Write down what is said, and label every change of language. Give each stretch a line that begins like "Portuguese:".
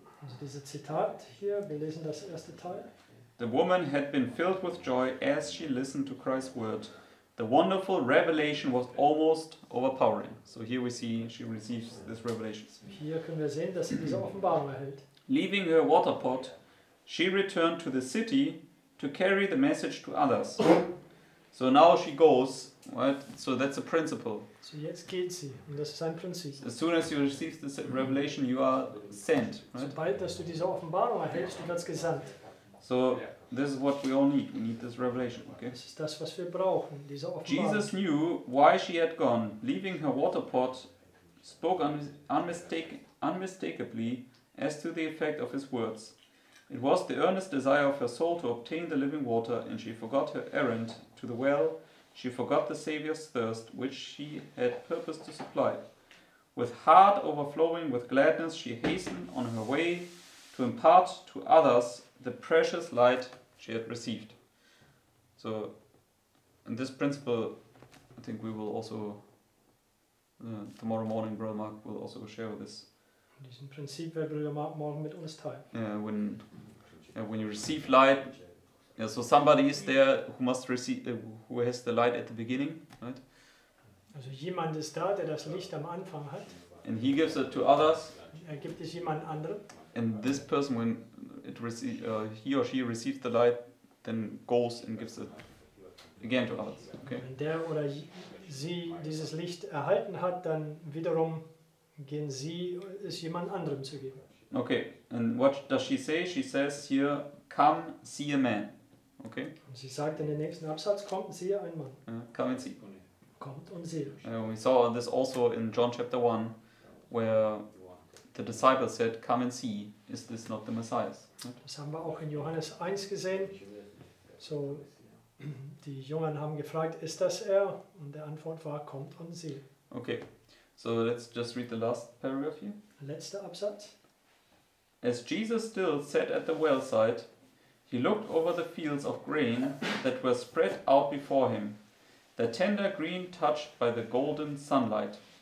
German: Also dieses Zitat hier, wir lesen das erste Teil.
English: The woman had been filled with joy as she listened to Christ's word. The wonderful revelation was almost overpowering. So here we see she receives this revelation.
German: Hier können wir sehen, dass sie diese Offenbarung erhält.
English: Leaving her water pot, she returned to the city to carry the message to others. So now she goes, right? So that's a principle.
German: So jetzt geht sie, und das ist ein Prinzip.
English: As soon as you receive this revelation, you are sent, right?
German: Sobald dass du diese Offenbarung erhältst, du wirst gesandt.
English: So this is what we all need. We need this revelation, okay?
German: Das ist das, was wir brauchen, diese Offenbarung.
English: Jesus knew why she had gone, leaving her water pot, spoke unmistakably as to the effect of his words. It was the earnest desire of her soul to obtain the living water, and she forgot her errand to the well She forgot the Savior's thirst, which she had purposed to supply. With heart overflowing with gladness, she hastened on her way to impart to others the precious light she had received. So, in this principle, I think we will also, tomorrow morning, Brother Mark will also share with us.
German: Diesen Prinzip wird Brother Mark morgen mit uns teilen.
English: When you receive light, yeah, so somebody is there who must receive, who has the light at the beginning, right?
German: Also jemand ist da, der das Licht am Anfang hat.
English: And he gives it to others.
German: Er gibt es jemand anderem.
English: And this person, when it he or she receives the light, then goes and gives it again to others. Okay.
German: Wenn der oder sie dieses Licht erhalten hat, dann wiederum gehen sie es jemand anderem zu geben.
English: Okay. And what does she say? She says here, come see a man. Okay.
German: Und sie sagt in dem nächsten Absatz, kommt und siehe einen Mann.
English: Come and see.
German: Kommt und siehe.
English: We saw this also in John chapter 1, where the disciples said, come and see, is this not the Messiah?
German: Das haben wir auch in Johannes 1 gesehen. So, die Jungen haben gefragt, ist das er? Und die Antwort war, kommt und siehe.
English: Okay, so let's just read the last paragraph here.
German: Letzter Absatz.
English: As Jesus still sat at the wellside, he looked over the fields of grain that were spread out before him, the tender green touched by the golden sunlight.